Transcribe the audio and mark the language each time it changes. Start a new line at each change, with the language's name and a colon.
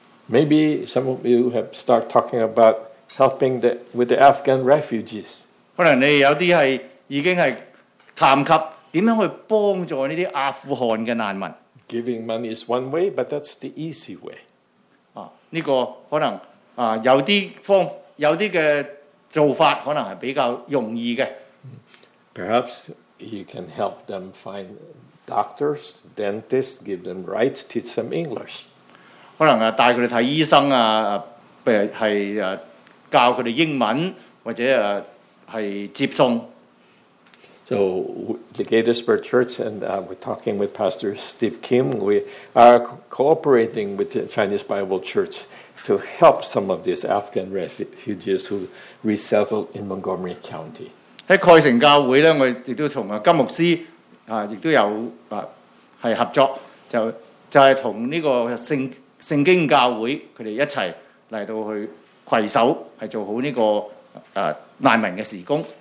English: Maybe some of you have started talking about helping with the Afghan refugees.
Cantonese: 可能你有啲系已经系谈及点样去帮助呢啲阿富汗嘅难民。
English: Giving money is one way, but that's the easy way.
Cantonese: 啊，呢个可能啊，有啲方，有啲嘅做法可能系比较容易嘅。
English: Perhaps you can help them find doctors, dentists, give them rights, teach them English.
Cantonese: 可能啊，带佢哋睇医生啊，譬如系啊，教佢哋英文或者啊系接送。
English: So, the Gaithersburg Church and we're talking with Pastor Steve Kim. We are cooperating with the Chinese Bible Church to help some of these Afghan refugees who resettled in Montgomery County.
Cantonese: 在蓋城教會呢，我亦都同金牧師亦都有係合作，就係同呢個聖經教會佢哋一齊嚟到去攜手，係做好呢個難民嘅事工。